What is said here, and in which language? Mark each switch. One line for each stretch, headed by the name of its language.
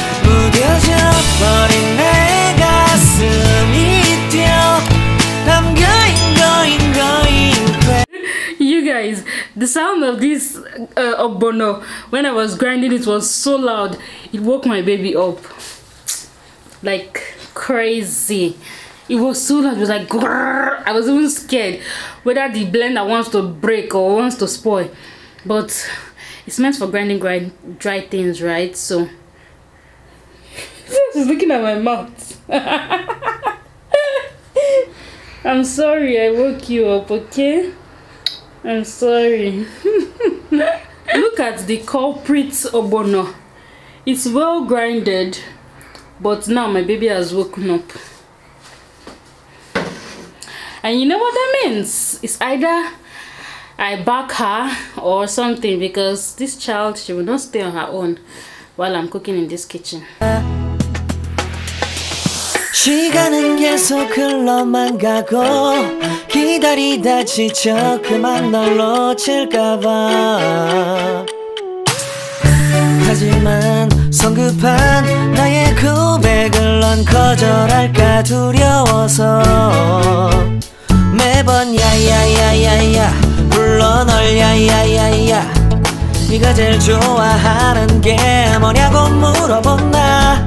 Korean: 무뎌져버린 내 가슴이 뛰어.
English: I'm going going going crazy. You guys, the sound of this obono when I was grinding it was so loud, it woke my baby up like crazy. It was so loud, it was like grrr. I was even scared whether the blender wants to break or wants to spoil. But it's meant for grinding dry things, right? So she's looking at my mouth. I'm sorry I woke you up, okay? I'm sorry. Look at the culprit obono. It's well grinded, but now my baby has woken up. And you know what that means? It's either I back her or something, because this child, she will not stay on her own while I'm cooking in this kitchen.
Korean: 시간은 계속 흘러만 가고 기다리다 지쳐 그만 널 놓칠까봐. 하지만 성급한 나의 고백을 넌 거절할까 두려워서 매번 야야야야야 불러 널 야야야야 네가 제일 좋아하는 게 뭐냐고 물어본 나.